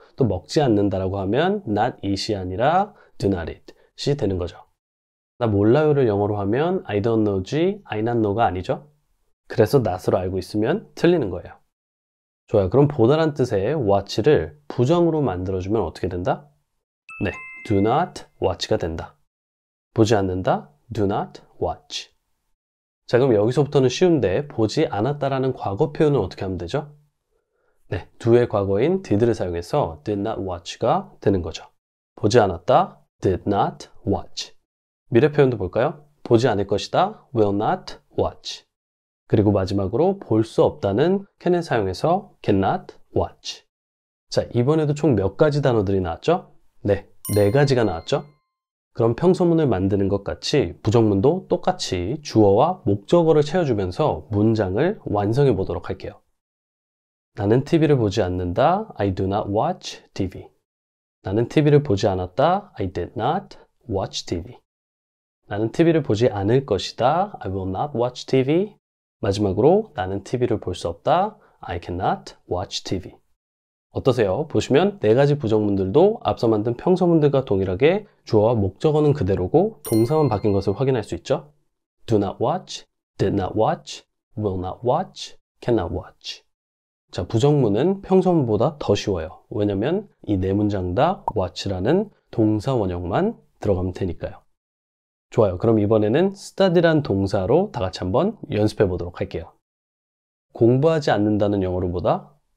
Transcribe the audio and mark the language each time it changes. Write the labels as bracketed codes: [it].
[ko] 또 먹지 않는다라고 하면 not eat이 아니라 do not eat이 되는 거죠. 나 몰라요를 영어로 하면 [en] I don't know [ko] 지 [en] I not know [ko] 가 아니죠. 그래서 not으로 알고 있으면 틀리는 거예요. 좋아요. 그럼 보다란 뜻의 watch를 부정으로 만들어주면 어떻게 된다? 네, do not watch가 된다. 보지 않는다, do not watch. 자, 그럼 여기서부터는 쉬운데 보지 않았다라는 과거 표현은 어떻게 하면 되죠? 네, do의 과거인 did를 사용해서 did not watch가 되는 거죠. 보지 않았다, did not watch. 미래 표현도 볼까요? 보지 않을 것이다, will not watch. 그리고 마지막으로 볼수 없다는 can을 사용해서 cannot watch. 자, 이번에도 총몇 가지 단어들이 나왔죠? 네, 네 가지가 나왔죠? 그럼 평소문을 만드는 것 같이 부정문도 똑같이 주어와 목적어를 채워주면서 문장을 완성해 보도록 할게요. 나는 TV를 보지 않는다. [en] I do not watch TV. [ko] 나는 TV를 보지 않았다. [en] I did not watch TV. [ko] 나는 TV를 보지 않을 것이다. [en] I will not watch TV. [ko] 마지막으로 나는 TV를 볼수 없다. [en] I cannot watch TV. [ko] 어떠세요? 보시면 네 가지 부정문들도 앞서 만든 평소문들과 동일하게 주어와 목적어는 그대로고 동사만 바뀐 것을 확인할 수 있죠? [en] Do not watch, did not watch, will not watch, cannot watch. [ko] 자, 부정문은 평소문보다 더 쉬워요. 왜냐면 이네 문장 다 watch라는 동사 원형만 들어가면 되니까요. 좋아요. 그럼 이번에는 study란 동사로 다 같이 한번 연습해 보도록 할게요. 공부하지 않는다는 영어로 보다?